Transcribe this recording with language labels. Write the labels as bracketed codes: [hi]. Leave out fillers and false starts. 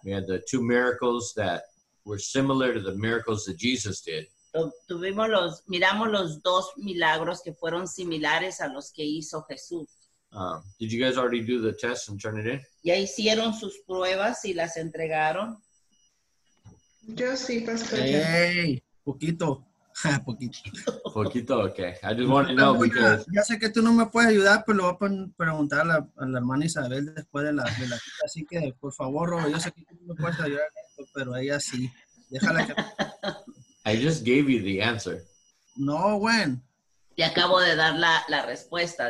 [en] We had the two miracles that were similar to the miracles that Jesus did. [es] Miramos los dos milagros que fueron similares a los que hizo Jesús. [en] Did you guys already do the test and turn it in? [es] Ya hicieron sus pruebas y las entregaron. Yo sí, pastor. Hey, poquito. Poquito. Poquito, [en] okay. I just want to know because... [es] Ya sé que tú no me puedes ayudar, pero lo voy a preguntar a la hermana Isabel después de la cita. Así que, por favor, Robo, yo sé que tú no me puedes ayudar, pero ella sí. Déjala que... [en] I just gave you the answer. No, when? [es] Te acabo de dar la respuesta.